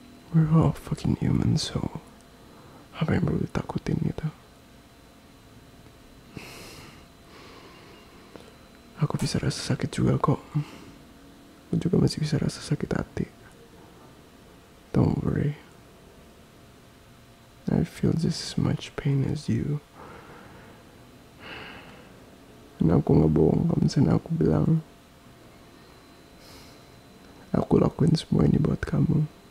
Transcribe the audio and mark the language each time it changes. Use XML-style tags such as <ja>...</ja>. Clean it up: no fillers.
<en>We're all fucking human, so apa yang perlu ditakutin gitu?</en> <id>Aku bisa rasa sakit juga kok. Aku juga masih bisa rasa sakit hati.</id> <en>Don't worry. I feel just as much pain as you.</en> <id>Dan aku gak bohong kalau misalnya aku bilang aku lakuin semua ini buat kamu.</id>